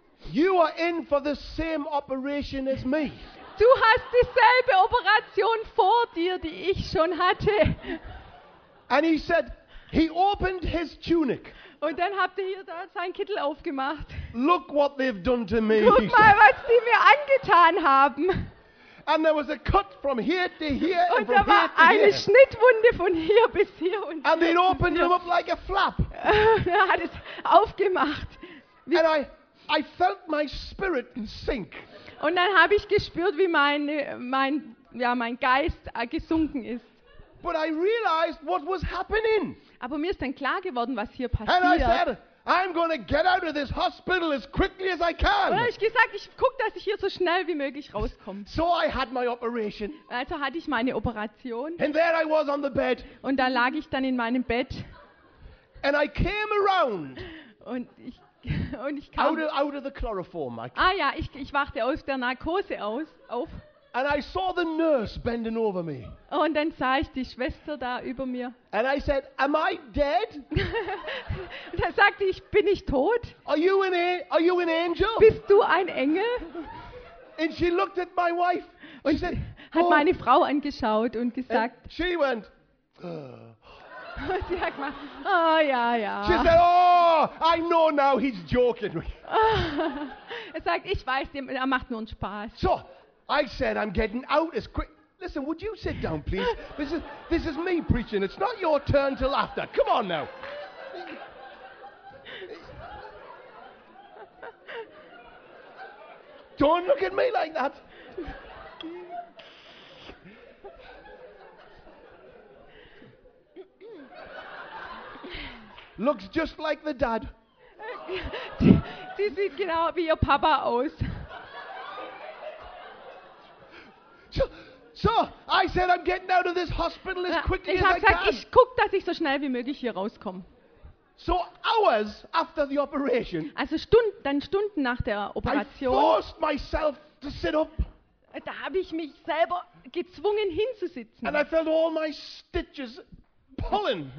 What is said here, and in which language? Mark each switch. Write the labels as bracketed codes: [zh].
[en] You are in for the same operation as me. [de] Du hast dieselbe Operation vor dir, die ich schon hatte. [en] And he said, he opened his tunic. [de] Und dann habt ihr hier da seinen Kittel aufgemacht. [en] Look what they've done to me. [de] Guck mal, was die mir angetan haben. [en] And there was a cut from here to here [de] und [en] and from [de] da war [en] here to [de] eine [en] here. [de] Schnittwunde von hier bis hier und [en] And [de] hier [en] they opened them up like a flap. [de] Er hat es aufgemacht. [en] And I felt my spirit sink. [de] Und dann habe ich gespürt, wie mein Geist gesunken ist. [en] But I realized what was happening. [de] Aber mir ist dann klar geworden, was hier passiert. [en] And I said, I'm going to get out of this hospital as quickly as I can. [de] Und ich gesagt, ich guck, dass ich hier so schnell wie möglich rauskomme. [en] So I had my operation. [de] Also hatte ich meine Operation. [en] And there I was on the bed. [de] Und da lag ich dann in meinem Bett. [en] And I came around. [de] Und ich kam [en] out of the chloroform. [de] Ah ja, ich wachte aus der Narkose auf. [en] And I saw the nurse bending over me. [de] Und dann sah ich die Schwester da über mir. [en] And I said, am I dead? [de] Da sagte ich, bin ich tot? [en] Are you an angel? [de] Bist du ein Engel? [en] And she looked at my wife. [de] Und [en] she said, [de] hat oh. meine Frau angeschaut und gesagt. [en] And she went. [de] Und sie hat gesagt, oh ja, ja. [en] She said, oh, I know now he's joking. [de] Er sagt, ich weiß, er macht nur einen Spaß. [en] So. I said, I'm getting out as quick. Listen, would you sit down, please? This is me preaching. It's not your turn to laughter. Come on now. Don't look at me like that. Looks just like the dad. [de] Sie sieht genau wie ihr Papa aus. [en] So, I said I'm getting out of this hospital as quickly as I [de] gesagt, [en] can. [de] Ich habe gesagt, ich guck, dass ich so schnell wie möglich hier rauskomme. [en] So hours after the operation. [de] Also Stunden nach der Operation. [en] I forced myself to sit up. [de] Da habe ich mich selber gezwungen hinzusitzen. [en] And I felt all my stitches pulling.